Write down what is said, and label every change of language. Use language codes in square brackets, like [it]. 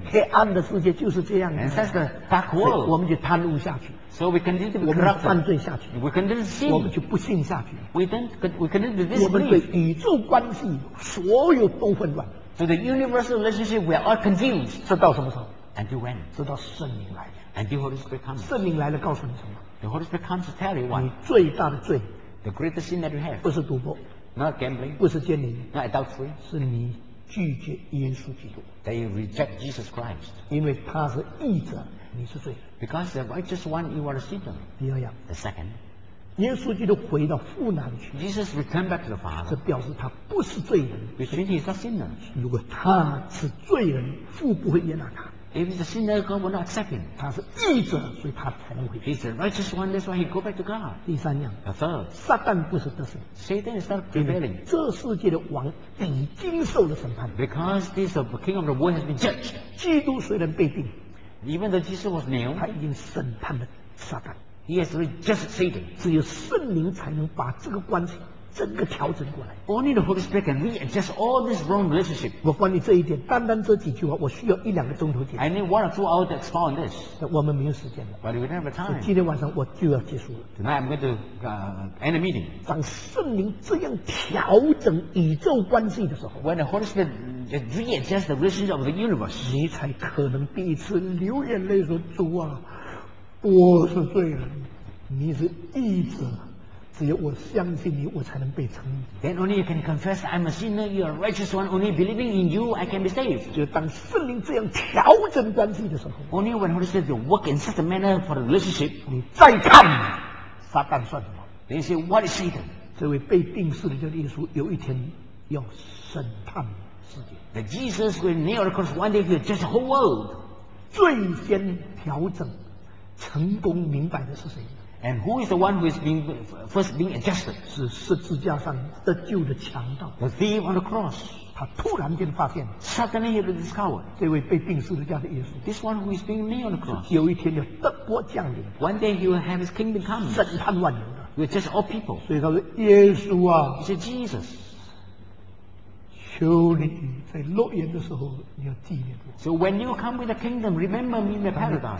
[zh] 黑暗的世界就是这样的。 [en] And that's the dark world. [zh] 我们就贪污下去。 [en] So we continue to be corrupt. [zh] 我们犯罪下去。 [en] We continue to sin. [zh] 我们就不信下去。 [en] We continue to disbelieve. [zh] 我们对宇宙关系所有都混乱。 [en] So the universal relationship, we are all confused. [zh] 这到什么时候？ [en] Until when? [zh] 直到圣灵来。 [en] Until Holy Spirit comes. [zh] 圣灵来了告诉你什么？ [en] The Holy Spirit comes to tell you what? [zh] 你最大的罪。 [en] The greatest sin that you have. [zh] 不是赌博。 [en] Not gambling. [zh] 不是奸淫。 [en] Not adultery. [zh] 是你拒绝耶稣基督。 [en] That you reject Jesus Christ. [zh] 因为他是义者，你是罪。 [en] Because the righteous one, you are a sinner. [zh] 第二样。 [en] The second. [zh] 耶稣基督回到父那里去。 [en] Jesus returned back to the Father. [zh] 这表示他不是罪人。 [en] Which means he is not sinner. [zh] 如果他是罪人，父不会接纳他。 [en] If he's a sinner, God will not accept him. [zh] 他是义者，所以他才能回去。 [en] He's a righteous one, that's why he go back to God. [zh] 第三样。 [en] The third. [zh] 撒旦不是得胜。 [en] Satan is not prevailing. [zh] 这世界的王已经受了审判。 [en] Because this king of the world has been judged. [zh] 基督虽然被定。 [en] Even though Jesus was nailed. [zh] 他已经审判了撒旦。 [en] He has rejected Satan. [zh] 只有圣灵才能把这个关系整个调整过来。 [en] Only the Holy Spirit can readjust all this wrong relationship. [zh] 我关于这一点，单单这几句话，我需要一两个钟头讲。 [en] I need 1 or 2 hours to explore on this. [zh] 我们没有时间了。 [en] But we don't have time. [zh] 今天晚上我就要结束了。 [en] Tonight I'm going to end the meeting. [zh] 当圣灵这样调整宇宙关系的时候 [en] ，When the Holy Spirit readjusts the relationship of the universe, [zh] 你才可能第一次流眼泪说：“主啊，我是罪人，你是义者。” 只有我相信你，我才能被称义。 [en] Then only you can confess I'm a sinner, you are a righteous one. Only believing in you, I can be saved. [zh] 就当圣灵这样调整关系的时候 [en] ，Only when Holy Spirit work in such a manner for the relationship, [zh] 你再看撒旦算什么 [en] ？Then you say what is Satan? [zh] 这位被定死的耶稣有一天要审判世界。 [en] The Jesus will nail on the cross one day to judge the whole world. [zh] 最先调整、成功、明白的是谁？ [en] And who is the one who is being, first being adjusted? [zh] 是十字架上得救的强盗。 [en] The thief on the cross. [zh] 他突然间发现。 [en] Suddenly he will discover. [zh] 这位被钉十字架的耶稣。 [en] This one who is being nailed on the cross. [zh] 有一天要德国降临。 [en] One day he will have his kingdom come. [zh] 审判万有的。 [en] With just all people. [zh] 所以他说耶稣啊。 [en] He said Jesus. [zh] 求你在落言的时候你要纪念我。 [en] So when you come with the kingdom, remember me in the paradise.